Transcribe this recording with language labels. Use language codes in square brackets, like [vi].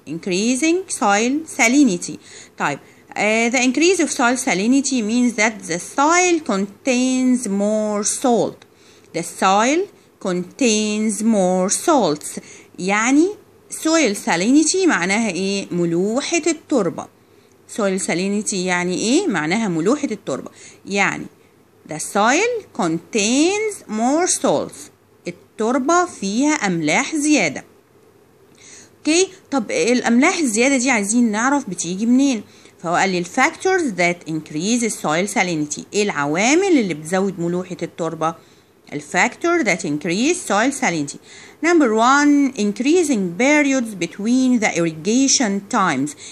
[en] increasing soil salinity. [ar] طيب، [en] the increase of soil salinity means that the soil contains more salt. The soil contains more salts. [ar] يعني soil salinity معناها ايه؟ ملوحة التربة. soil salinity يعني ايه؟ معناها ملوحة التربة. يعني [en] the soil contains more salts. [ar] التربة فيها أملاح زيادة. اوكي، طب الأملاح الزيادة دي عايزين نعرف بتيجي منين؟ فهو قال لي [en] الفاكتورز that increase السويل salinity, [ar] ايه العوامل اللي بتزود ملوحه التربه؟ [en] الفاكتور that increase soil salinity, number 1 increasing periods between the irrigation times.